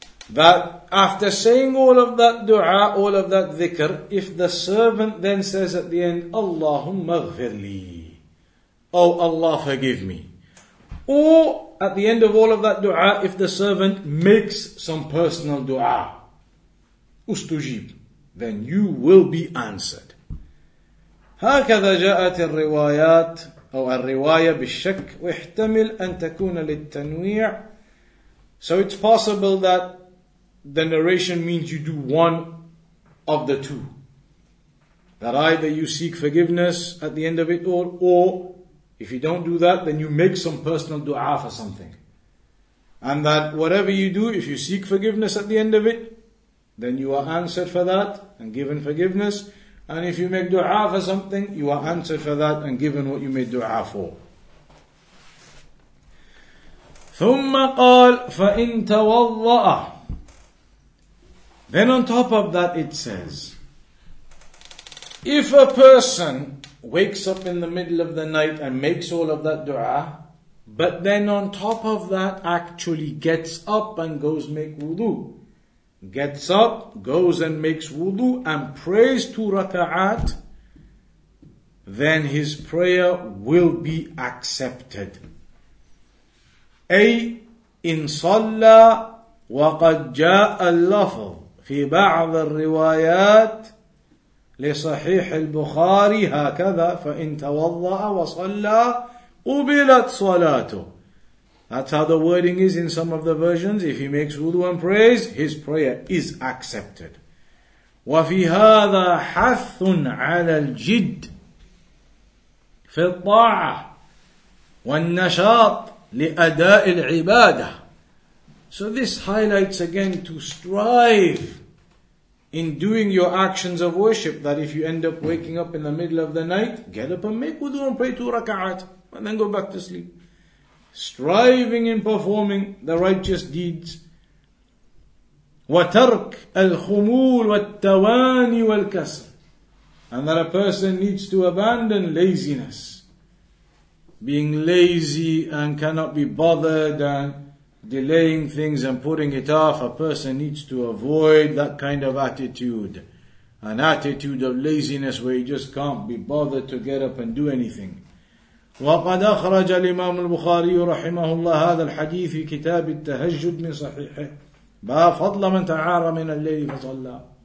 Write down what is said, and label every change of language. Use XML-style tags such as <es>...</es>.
<en>That after saying all of that dua, all of that dhikr, if the servant then says at the end,</en> <ar>Allahumma ghfirli,</ar> <en>oh Allah forgive me. Or at the end of all of that dua, if the servant makes some personal dua,</en> <ar>استجيب,</ar> <en>then you will be answered.</en> <ar>هكذا جاءت الروايات أو الرواية بالشك ويحتمل أن تكون للتنويع.</ar> <en>So it's possible that the narration means you do one of the two. That either you seek forgiveness at the end of it all, or if you don't do that, then you make some personal dua for something. And that whatever you do, if you seek forgiveness at the end of it, then you are answered for that and given forgiveness. And if you make dua for something, you are answered for that and given what you made dua for.</en> <ar>ثُمَّ قَالْ فَإِن تَوَضَّأَ.</ar> <en>Then on top of that it says, if a person wakes up in the middle of the night and makes all of that dua, but then on top of that actually gets up and goes make wudu. Gets up, goes and makes wudu and prays two raka'at, then his prayer will be accepted.</en> <ar>أي إن صلى وقد جاء اللفظ في بعض الروايات لصحيح البخاري هكذا فإن توضأ وصلى قبلت صلاته.</ar> <en>That's how the wording is in some of the versions. If he makes wudu and prays, his prayer is accepted.</en> <ar>وفي هذا حث على الجد في الطاعة والنشاط لأداء العبادة.</ar> <en>So this highlights again to strive in doing your actions of worship, that if you end up waking up in the middle of the night, get up and make wudu and pray two raka'at and then go back to sleep. Striving in performing the righteous deeds.</en> <ar>وترك الخمول والتواني والكسل.</ar> <en>And that a person needs to abandon laziness, being lazy and cannot be bothered and delaying things and putting it off. A person needs to avoid that kind of attitude, an attitude of laziness where he just can't be bothered to get up and do anything.</en> <ar>وقد أخرج الإمام البخاري رحمه الله هذا الحديث في كتاب التهجد من صحيحه با فضل من تعار من الليل فصلى.</ar>